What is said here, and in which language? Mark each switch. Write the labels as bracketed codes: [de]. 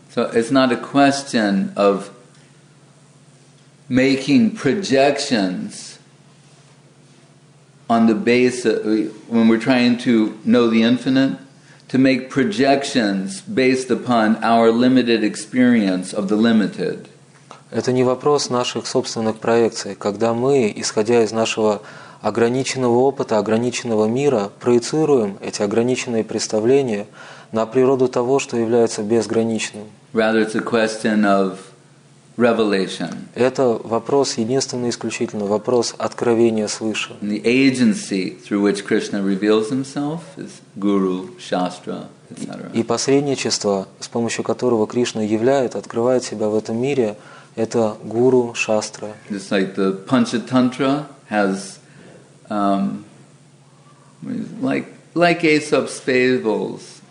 [en] So it's not a question of making projections on the basis, when we're trying to know the infinite, to make projections based upon our limited experience of the limited. [ru] Это не вопрос наших собственных проекций, когда мы, исходя из нашего ограниченного опыта, ограниченного мира, проецируем эти ограниченные представления на природу того, что является безграничным. [en] Rather, it's a question of revelation. [ru] Это вопрос единственно и исключительно вопрос откровения свыше. [en] The agency through which Krishna reveals himself is guru, shastra, etc. [ru] И посредничество, с помощью которого Кришна являет, открывает себя в этом мире, это гуру, шастра. [en] It's like the Panchatantra has like Aesop's fables.